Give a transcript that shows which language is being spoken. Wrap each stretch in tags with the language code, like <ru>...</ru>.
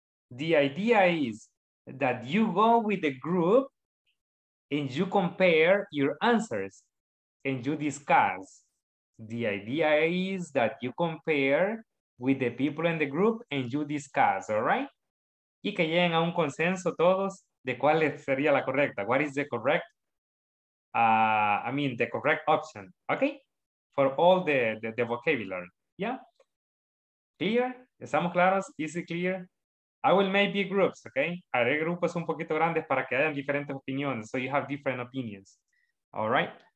<en>The idea is that you go with the group and you compare your answers and you discuss. The idea is that you compare with the people in the group and you discuss, all right?</en> <es>Y que lleguen a un consenso todos de cuál sería la correcta.</es> <en>What is the correct, the correct option, okay? For all the vocabulary, yeah? Clear?</en> <es>¿Estamos claros?</es> <en>Is it clear? I will make big groups, okay?</en> <es>Haré grupos un poquito grandes para que hayan diferentes opiniones,</es> <en>so you have different opinions, all right?</en>